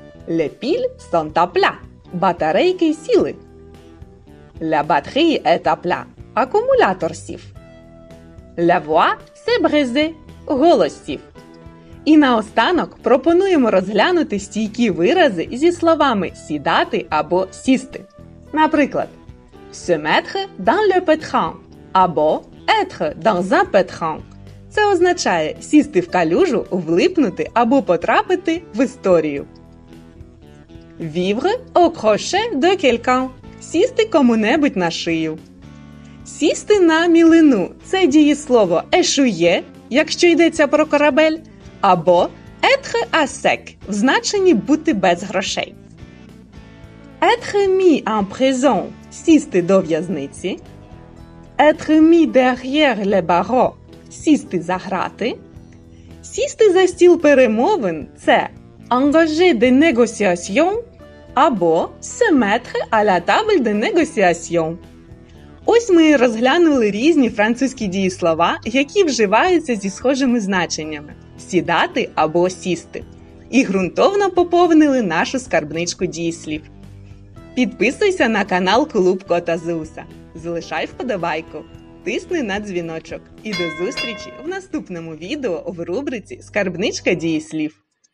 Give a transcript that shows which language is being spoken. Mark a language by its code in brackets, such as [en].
[fr] «Le piles sont à plat». [uk] Батарейки сіли. [fr] «La batterie est à plat». [uk] Акумулятор сів. [fr] «La voix s'est brisée». [uk] Голос сів. І наостанок пропонуємо розглянути стійкі вирази зі словами «сідати» або «сісти». [fr] Наприклад, «se mettre dans le pétrin» або «être dans un pétrin». [uk] Це означає «сісти в калюжу», «влипнути» або «потрапити в історію». [fr] «Vivre au crochet de quelqu'un» – [uk] «сісти кому-небудь на шию». «Сісти на мілину» – це дієслово «échouer», якщо йдеться про корабель, або [fr] «être à sec» [uk] – в значенні «бути без грошей». [fr] «Être mis en prison» – [uk] «сісти до в'язниці». [fr] «Être mis derrière les barreaux» – [uk] «сісти за грати». «Сісти за стіл перемовин» [fr] – це «engager des négociations» або «se mettre à la table des négociations». [uk] Ось ми розглянули різні французькі дієслова, які вживаються зі схожими значеннями – «сідати» або «сісти». І ґрунтовно поповнили нашу скарбничку дієслів. Підписуйся на канал Клуб Кота Зеуса, залишай вподобайку, тисни на дзвіночок. І до зустрічі в наступному відео в рубриці «Скарбничка дієслів».